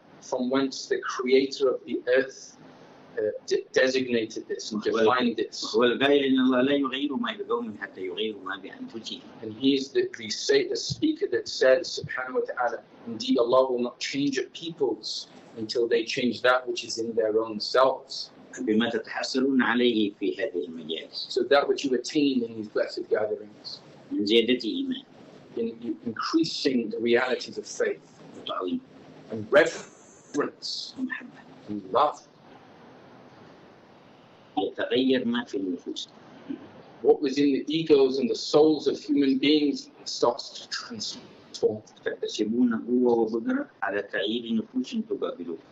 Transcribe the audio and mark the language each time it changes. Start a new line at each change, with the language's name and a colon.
English: From whence the creator of the earth designated this and defined this. And he is the speaker that says, subhanahu wa ta'ala, indeed Allah will not change a peoples until they change that which is in their own selves.
Arabic: بما تتحصلون عليه في هذه المجالس.
English: So that which you attain in these blessed gatherings.
Arabic: من زيادة إيمان.
English: In increasing the realities of faith.
Arabic: وتعظيم.
English: And reverence.
Arabic: ومحبة.
English: And love.
Arabic: يتغير ما في النفوس.
English: What was in the egos and the souls of human beings starts to transform.
Arabic: تكتسبون قوة وقدرة على تغيير النفوس تقابلوه.